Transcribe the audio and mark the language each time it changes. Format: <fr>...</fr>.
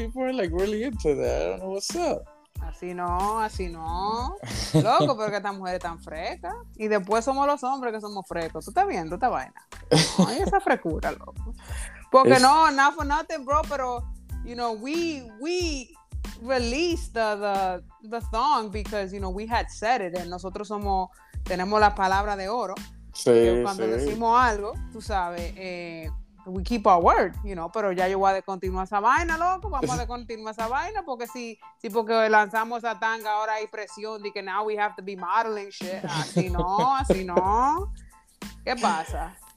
<en>A few people are really into that. I don't know what's up.</en> <es>Así no. Loco, pero que esta mujer es tan fresca. Y después somos los hombres que somos frescos. Tú estás viendo esta vaina. Ay, esa frescura, loco. Porque no,</es> <en>not for nothing, bro, pero, you know, we released the thong because, you know, we had said it.</en> <es>And nosotros tenemos la palabra de oro. Sí, cuando sí. Decimos algo, tú sabes,</es> <en>we keep our word, you know,</en> <es>pero ya yo voy a descontinuar esa vaina, loco, vamos a descontinuar esa vaina, porque sí, porque lanzamos esa tanga, ahora hay presión de que</es> <en>now we have to be modeling shit,</en> <es>así no, ¿qué pasa?</es>